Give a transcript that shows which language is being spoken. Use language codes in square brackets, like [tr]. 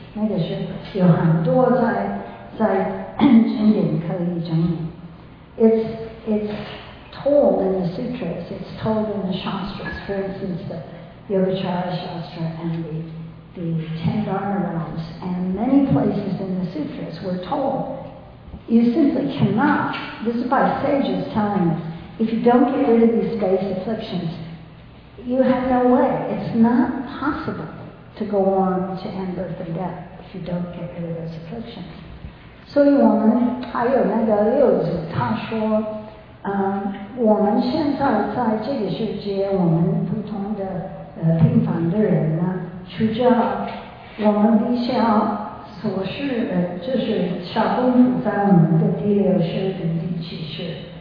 [zh] 那个是有很多在经典可以证明。 [en] It's told in the sutras, it's told in the shastras, for instance. Yogacara Shastra and the Ten Dharma Realms and many places in the sutras were told you simply cannot, this is by sages telling us, if you don't get rid of these base afflictions, you have no way. It's not possible to go on to end birth and death if you don't get rid of those afflictions. [zh] So 我们还有那个六祖他说我们现在这个世界我们普通的平凡的人呢，除了我们必须要所事的，就是下功夫在我们的第六世跟第七世。